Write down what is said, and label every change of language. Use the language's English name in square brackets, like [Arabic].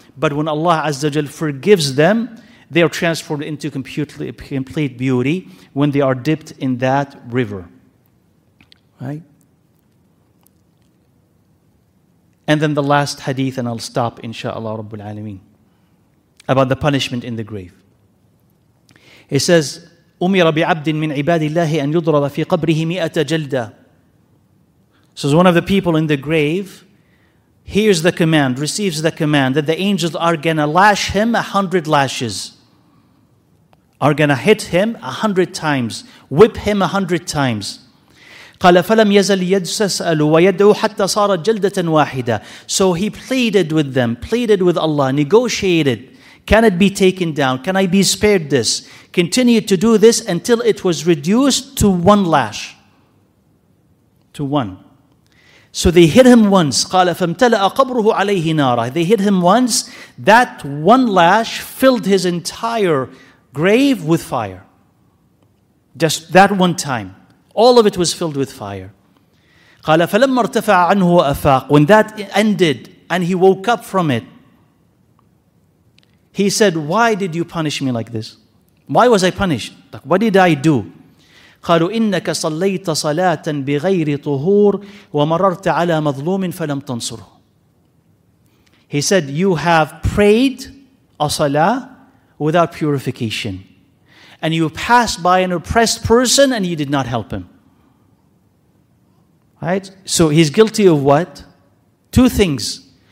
[English] But when Allah Azza wa Jalla forgives them, they are transformed into complete beauty when they are dipped in that river. Right? And then the last hadith, and I'll stop, inshallah, Rabbul Alameen, about the punishment in the grave. [Arabic] He says, أُمِرَ بِعَبْدٍ مِنْ عِبَادِ اللَّهِ أَنْ يُضْرَبَ فِي قَبْرِهِ مِئَةَ جَلْدًا. [English] So one of the people in the grave hears the command, receives the command, that the angels are going to lash him 100 lashes, are going to hit him 100 times, whip him 100 times. [Arabic] قال فلم يزل يسأل ويدعو حتى صارت جلدة واحدة. [English] So he pleaded with Allah, negotiated. Can it be taken down? Can I be spared this? Continued to do this until it was reduced to one lash. To one. So they hit him once. [Arabic] قال فامتلأ قبره عليه نارا. [English] They hit him once. That one lash filled his entire grave with fire. Just that one time. All of it was filled with fire. [Arabic] قال فلما ارتفع عنه وأفاق. [English] When that ended and he woke up from it, he said, why did you punish me like this? Why was I punished? Like, what did I do? [Arabic] قالوا إنك صليت صلاة بغير طهور ومررت على مظلوم فلم تنصره. [English] He said, you have prayed a salah without purification, and you passed by an oppressed person and you did not help him. Right? So he's guilty of what? Two things.